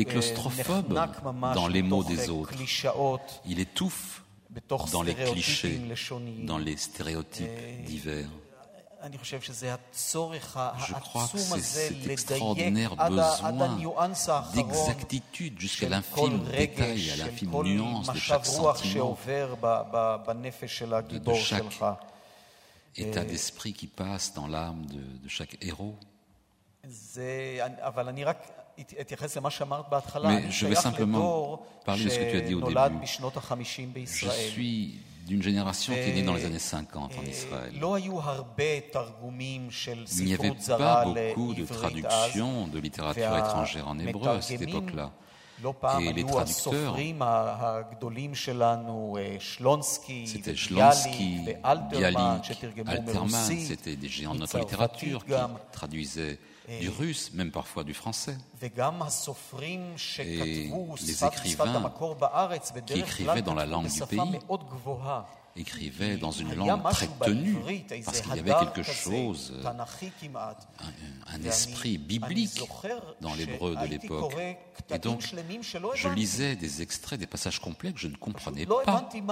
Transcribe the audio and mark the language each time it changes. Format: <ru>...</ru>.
<fr>est claustrophobe dans les mots des autres. Il étouffe dans les clichés, dans les stéréotypes divers.</fr> <he>אני חושב שזה הצורך העצום הזה לדייק עד הניואנס האחרון של כל רגש, של כל משב רוח שעובר בנפש של הגיבור שלך.</he> <fr>État d'esprit qui passe dans l'âme de chaque héros. Mais je vais simplement parler de ce que tu as dit au début. Je suis d'une génération qui est née dans les années 50 en Israël. Il n'y avait pas beaucoup de traductions de littérature étrangère en hébreu à cette époque-là.</fr> <he>לא פעם היו הסופרים הגדולים שלנו, שלונסקי, ביאליק ואלתרמן, שתרגמו מרוסי.</he> <fr>C'était des géants de notre littérature qui traduisaient du russe, même parfois du français.</fr> <he>וגם הסופרים שכתבו שפת המקור בארץ, בדרך כלל בשפה מאוד גבוהה.</he> <fr>Écrivait dans une langue très tenue, parce qu'il y avait quelque chose, un esprit biblique dans l'hébreu de l'époque. Et donc, je lisais des extraits, des passages complets que je ne comprenais pas.</fr>